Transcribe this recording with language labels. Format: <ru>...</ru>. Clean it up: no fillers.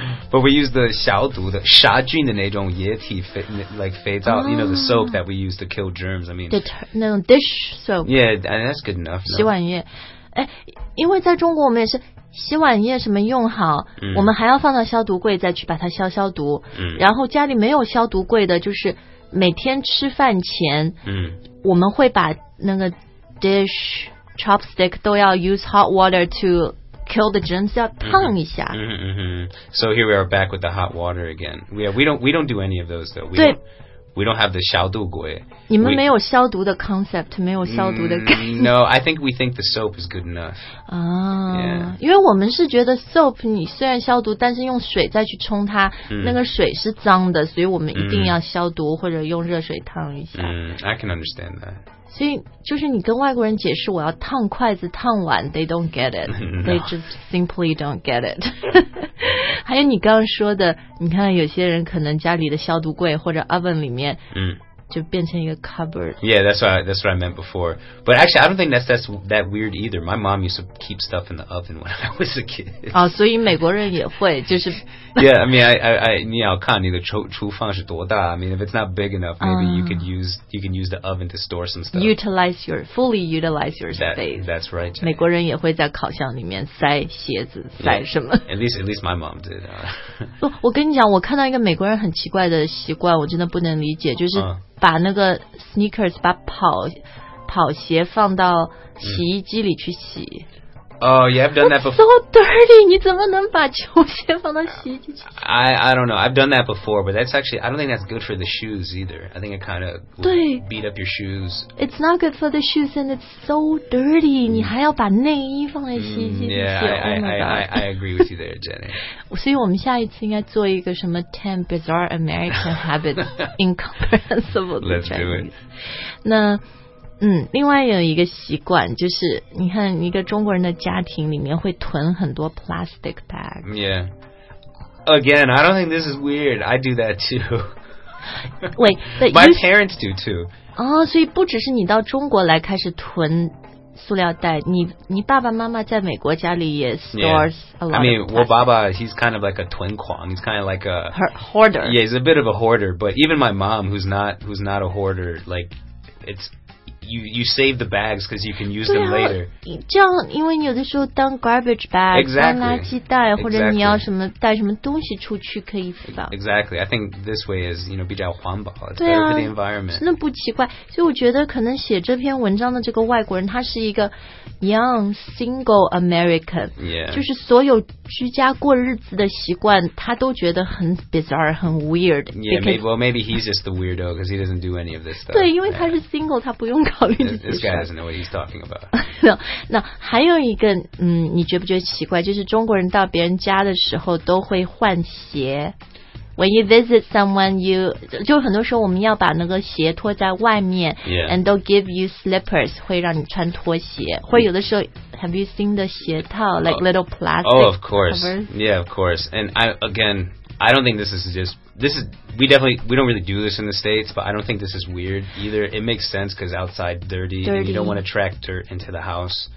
<en>But we use the</en> <zh>消毒的杀菌的那种液体肥皂、</zh> <en>you know, the soap that we use to kill germs. I mean, no, dish soap. Yeah, and that's good enough.</en> <zh>洗碗液。因为在中国我们也是洗碗液什么用好、我们还要放到消毒柜再去把它消毒、然后家里没有消毒柜的就是每天吃饭前、我们会把那个 dish chopstick 都要</zh> <en>use hot water to kill the germs</en> <zh>要烫一下、</zh> <en>So here we are back with the hot water again. We don't do any of those though. We don't have the 消毒柜。</en> <zh>你们没有消毒的 concept， 没有消毒的概念。</zh> <en>No, I think we think the soap is good enough.</en> <zh>因为我们是觉得 soap， 你虽然消毒，但是用水再去冲它，那个水是脏的，所以我们一定要消毒或者用热水烫一下。</zh> <en>I can understand that.</en> <zh>所以就是你跟外国人解释我要烫筷子、烫碗 ，</zh> <en>they don't get it. No. They just simply don't get it.</en> <zh>还有你刚刚说的，你看有些人可能家里的消毒柜或者 oven 里面，就变成一个 cupboard。</zh> <en>Yeah, that's what I meant before. But actually, I don't think that's that weird either. My mom used to keep stuff in the oven when I was a kid.</en> <zh>哦，所以美国人也会，就是。</zh> <en>Yeah, I mean, I</en> <zh>你要看你的厨房是多大。</zh> <en>I mean, if it's not big enough, maybe you can use the oven to store some stuff. Fully utilize your space. That's right.、Jenny.</en> <zh>美国人也会在烤箱里面塞鞋子，塞什么</zh> <en>？At least my mom did.</en> <zh>我跟你讲，我看到一个美国人很奇怪的习惯，我真的不能理解，就是。把那个 sneakers 把跑鞋放到洗衣机里去洗。</zh> <en>Oh, you have done that before. So dirty!</en> <zh>你怎么能把球鞋放到洗衣机去洗</zh> <en>？I don't know. I've done that before, but that's actually I don't think that's good for the shoes either. I think it kind of beat up your shoes. It's not good for the shoes, and it's so dirty.</en> <zh>你还要把内衣放在洗衣机里洗。</zh> <en>Yeah, I agree with you there, Jenny.</en> <zh>所以我们下一次应该做一个什么</zh> <en>10 bizarre American habits incomprehensible to Chinese. Let's do it.</en> <zh>那。另外有一个习惯就是你看一个中国人的家庭里面会囤很多 plastic bag.</zh> <en>Yeah. Again, I don't think this is weird. I do that too. Wait, my parents do too.</en> <zh>哦，所以不只是你到中国来开始囤塑料袋，你爸爸妈妈在美国家里也 stores、</zh> <en>yeah. a lot. I mean,</en> <zh>我爸爸</zh> <en>he's kind of like a 囤狂 he's kind of like a hoarder. Yeah, he's a bit of a hoarder, but even my mom who's not a hoarder, like it'sYou save the bags because you can use them later.</en> <zh>这样，因为你有的时候当 garbage bag，</zh> <en>exactly,</en> <zh>当垃圾袋，或者你要什么带什么东西出去可以放。</zh> <en>Exactly, I think this way is you know</en> <zh>比较环保。对啊</zh> <en>，for the environment.</en> <zh>那不奇怪，所以我觉得可能写这篇文章的这个外国人，他是一个</zh> <en>young single American， yeah,</en> <zh>就是所有居家过日子的习惯，他都觉得很 bizarre， 很 weird.</zh> <en>Yeah, maybe he's just the weirdo because he doesn't do any of this stuff.</en> <zh>对，因为他是 single，、他不用。</zh> <en>This guy doesn't know what he's talking about.</en> <zh>No, 还有一个，你觉不觉得奇怪？就是中国人到别人家的时候都会换鞋。</zh> <en>When you visit someone, you</en> <zh>就很多时候我们要把那个鞋脱在外面</zh> <en>，yeah. And they'll give you slippers,</en> <zh>会让你穿拖鞋。</zh> <en>或有的时候 ，Have you seen the 鞋套 like little plastic? Oh, of course.、 covers? Yeah, of course. And I again, I don't think this is just, this is, we definitely, we don't really do this in the States, but I don't think this is weird either. It makes sense because outside dirty, and you don't want to track dirt into the house.</en>